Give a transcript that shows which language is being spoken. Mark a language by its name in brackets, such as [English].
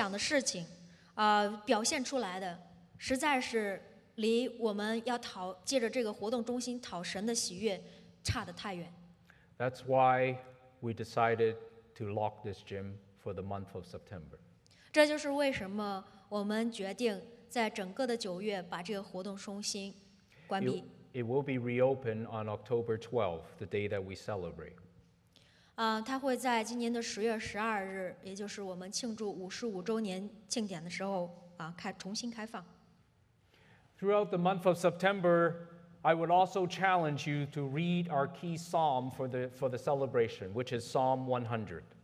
[Chinese] 有的时候我们在这个活动中心中所说的话，所想的事情，表现出来的。实在是离我们要讨借着这个活动中心讨神的喜悦差得太远。 [English] That's why we decided to lock this gym for the month of September. [Chinese] 这就是为什么我们决定在整个的九月把这个活动中心关闭。 [English] It will be reopened on October 12th, the day that we celebrate. [Chinese] 它会在今年的10月12日，也就是我们庆祝55周年庆典的时候，重新开放。 [English] Throughout the month of September, I would also challenge you to read our key psalm for the celebration, which is Psalm 100.